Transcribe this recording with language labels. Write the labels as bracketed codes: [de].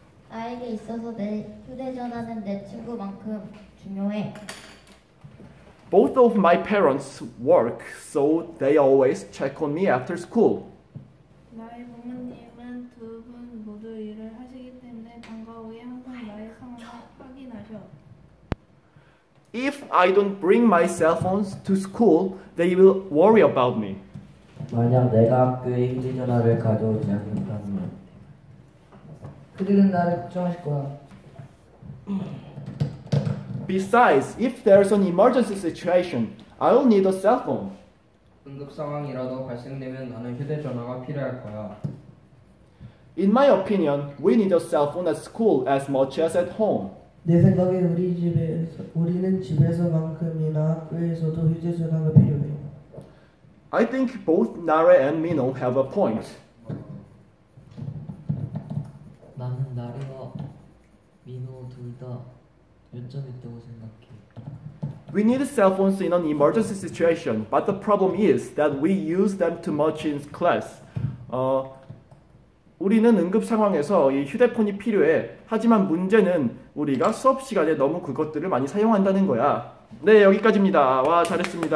[ko] 나에게 있어서 내 휴대전화는 내 친구만큼 중요해. [en] Both of my parents work, so they always check on me after school. [ko] 나의 부모님은 두분 모두 일을 하시기 때문에 방과 후에 항상 나의 상황을 확인하셔. [en] If I don't bring my cell phones to school, they will worry about me. [ko] 만약 내가 학교에 휴대전화를 가져오지 않는다면 그들은 나를 걱정하실 거야. [en] Besides, if there's an emergency situation, I'll need a cell phone. [ko] 응급 상황이라도 발생되면 나는 휴대전화가 필요할 거야. [en] In my opinion, we need a cell phone at school as much as at home. [ko] 내 생각에 우리는 집에서 만큼이나 학교에서도 휴대전화가 필요해. [en] I think both Nare and Mino have a point. [ko] 나는 나래와 민호 둘다 요점이 있다고 생각해. [en] We need cell phones in an emergency situation, but the problem is that we use them too much in class. [ko] 우리는 응급 상황에서 이 휴대폰이 필요해. 하지만 문제는 우리가 수업 시간에 너무 그것들을 많이 사용한다는 거야. 네, 여기까지입니다. 와, 잘했습니다.